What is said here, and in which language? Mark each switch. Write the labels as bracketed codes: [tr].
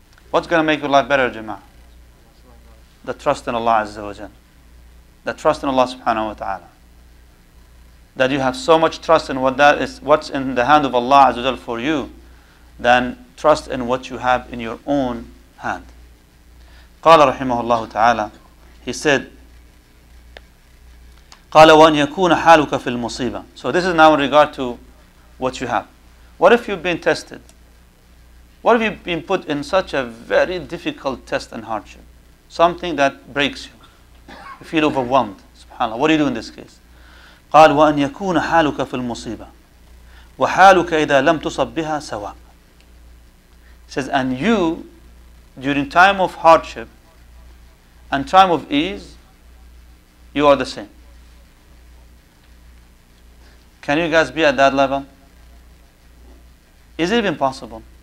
[en] What's going to make your life better, Jama'ah? The trust in Allah Azza wa Jal. The trust in Allah subhanahu wa ta'ala. That you have so much trust in what that is, what's in the hand of Allah Azza wa Jal for you, than trust in what you have in your own hand. [ar] قال رحمه الله تعالى [en] he said [ar] قال وأن يكون حالك في المصيبة. [en] So this is now in regard to what you have. What if you've been tested? What if you've been put in such a very difficult test and hardship? Something that breaks you. You feel overwhelmed. SubhanAllah. What do you do in this case? [ar] قال وأن يكون حالك في المصيبة وحالك إذا لم تصب بها سواء. [en] Says, and you, during time of hardship and time of ease, you are the same. Can you guys be at that level? Is it even possible?